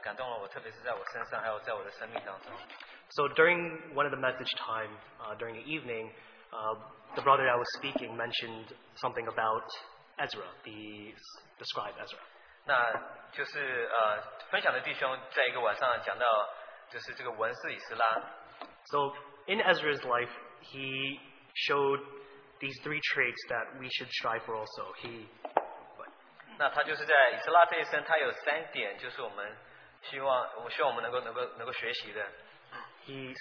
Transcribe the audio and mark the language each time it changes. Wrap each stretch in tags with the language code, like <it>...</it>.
<zh>那这次参加特会有一件事情很特别的，就是感动了我，特别是在我身上，还有在我的生命当中。</zh> <en>So during one of the message time during the evening, the brother that was speaking mentioned something about Ezra, the scribe Ezra.</en> <zh>那就是分享的弟兄在一个晚上讲到，就是这个文士以斯拉。</zh> <en>So in Ezra's life, he showed these three traits that we should strive for. Also, he.</en> <zh>那他就是在以斯拉这一生，他有三点，就是我们希望我们能够学习的。</zh> <en>He</en>